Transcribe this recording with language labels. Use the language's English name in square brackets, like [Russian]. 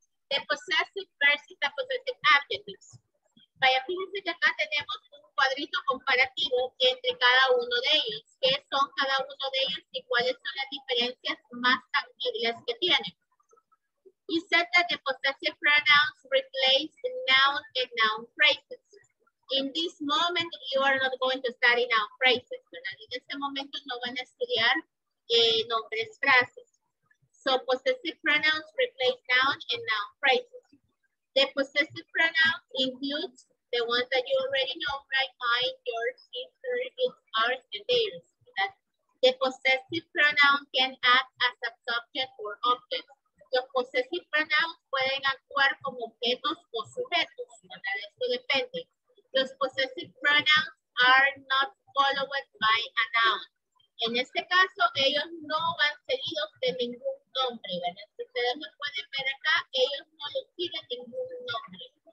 [English] The possessive versus the possessive adjectives. [Spanish] Vaya, fíjense que acá tenemos un cuadrito comparativo entre cada uno de ellos. ¿Qué son cada uno de ellos y cuáles son las diferencias más tangibles que tienen? [English] He said that the possessive pronouns replace noun and noun phrases. In this moment, you are not going to study noun phrases. [Spanish] ¿Verdad? En este momento no van a estudiar nombres frases. [English] So, possessive pronouns replace noun and noun phrases. The possessive pronoun includes the ones that you already know, right? I, your, sister, it, ours, and theirs. [Spanish] ¿Verdad? [English] The possessive pronoun can act as a subject or object. [Spanish] Los possessive pronouns pueden actuar como objetos o sujetos. ¿Verdad? Esto depende. [English] Los possessive pronouns are not followed by a noun. [Spanish] En este caso, ellos no van seguidos de ningún nombre, ¿verdad? Si ustedes lo pueden ver acá, ellos no les siguen ningún nombre.